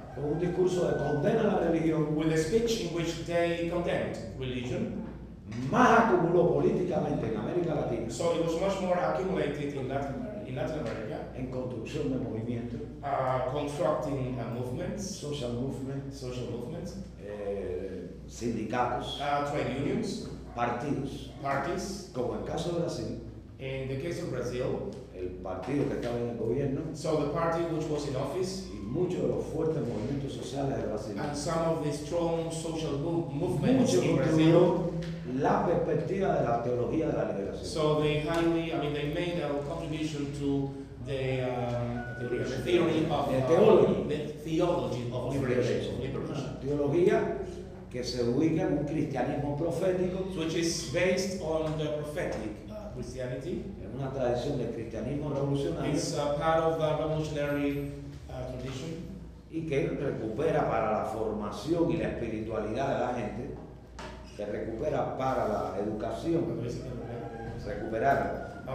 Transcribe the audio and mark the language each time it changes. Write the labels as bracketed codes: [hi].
[es] Con un discurso de condena a la religión. [en] With a speech in which they condemned religion. [es] Más acumuló políticamente en América Latina. [en] So it was much more accumulated in Latin America. [es] En construcción de movimientos. [en] Constructing movements. Social movements. Social movements. [es] Sindicatos. [en] Trade unions. [es] Partidos. [en] Parties. [es] Como el caso de Brasil. [en] In the case of Brazil. [es] El partido que estaba en el gobierno. [en] So the party which was in office. [es] Muchos de los fuertes movimientos sociales de Brasil. [en] And some of the strong social movements in Brazil. [es] La perspectiva de la teología de la liberación. [en] So they highly, I mean, they made a contribution to the theology of liberation. [es] Teología que se ubica en un cristianismo profético. [en] Which is based on the prophetic Christianity. [es] En una tradición de cristianismo revolucionario. [en] It's a part of the revolutionary tradition. [es] Y que recupera para la formación y la espiritualidad de la gente, que recupera para la educación, recuperar.